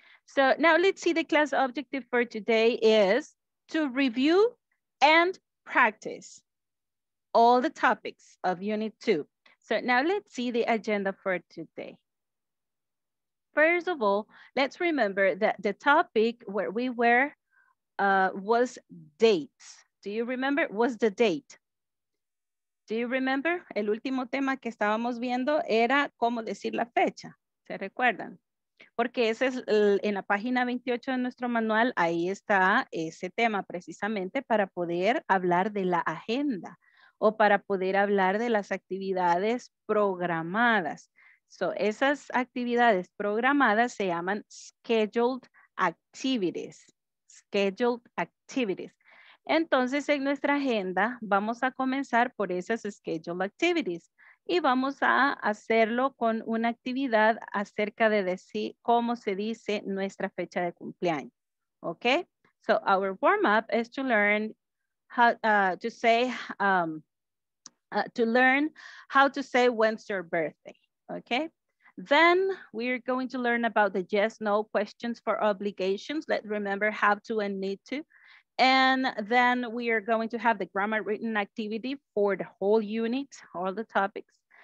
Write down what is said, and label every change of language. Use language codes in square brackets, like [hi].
[en] So now let's see the class objective for today is to review and practice all the topics of Unit 2. So now let's see the agenda for today. First of all, let's remember that the topic where we were was dates. Do you remember? Was the date. Do you remember? [es] El último tema que estábamos viendo era cómo decir la fecha. ¿Se recuerdan? Porque ese es en la página 28 de nuestro manual, ahí está ese tema precisamente para poder hablar de la agenda. O para poder hablar de las actividades programadas. So, esas actividades programadas se llaman scheduled activities. Scheduled activities. Entonces, en nuestra agenda vamos a comenzar por esas scheduled activities. Y vamos a hacerlo con una actividad acerca de decir cómo se dice nuestra fecha de cumpleaños. [en] Okay? So, our warm-up is to learn how to say... to learn how to say when's your birthday, okay? Then we are going to learn about the yes, no questions for obligations. Let's remember have to and need to. And then we are going to have the grammar written activity for the whole unit, all the topics.